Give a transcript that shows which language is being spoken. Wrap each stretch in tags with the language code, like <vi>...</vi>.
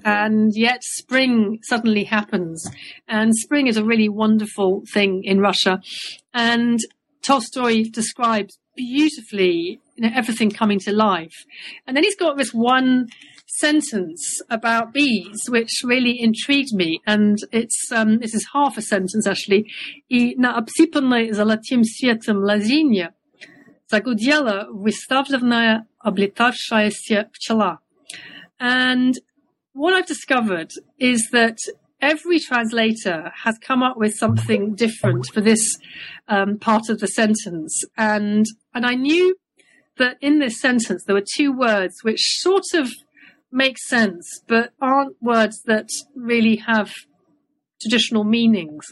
<en>And yet spring suddenly happens. And spring is a really wonderful thing in Russia. And Tolstoy describes beautifully, you know, everything coming to life. And then he's got this one sentence about bees, which really intrigued me. And it's this is half a sentence, actually.</en> <ru>«На обсипанной золотым светом лазинья загудела выставленная облетавшаяся пчела».</ru> <en>And what I've discovered is that every translator has come up with something different for this part of the sentence. And I knew that in this sentence, there were two words which sort of make sense, but aren't words that really have traditional meanings.</en>